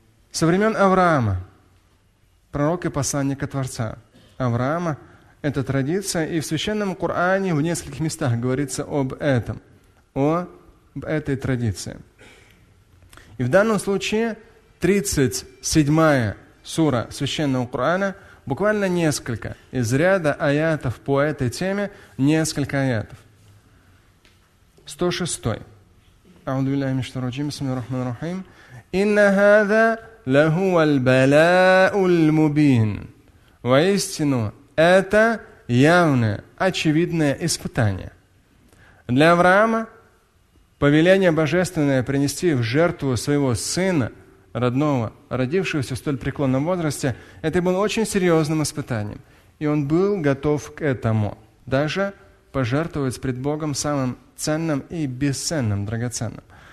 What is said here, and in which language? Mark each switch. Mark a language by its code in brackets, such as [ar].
[ru] Со времен Авраама, пророк и посланника Творца Авраама, это традиция, и в Священном Коране в нескольких местах говорится об этом, об этой традиции. И в данном случае 37-я сура Священного Корана, буквально несколько из ряда аятов по этой теме, несколько аятов. 106-й. [ar] أعوذ بالله من الشيطان الرجيم بسم الله الرحمن الرحيم إن هذا لهو البلاء المبين [ru] Воистину, это явное, очевидное испытание. Для Авраама повеление божественное принести в жертву своего сына родного, родившегося в столь преклонном возрасте, это было очень серьезным испытанием. И он был готов к этому. Даже пожертвовать пред Богом самым ценным и бесценным, драгоценным.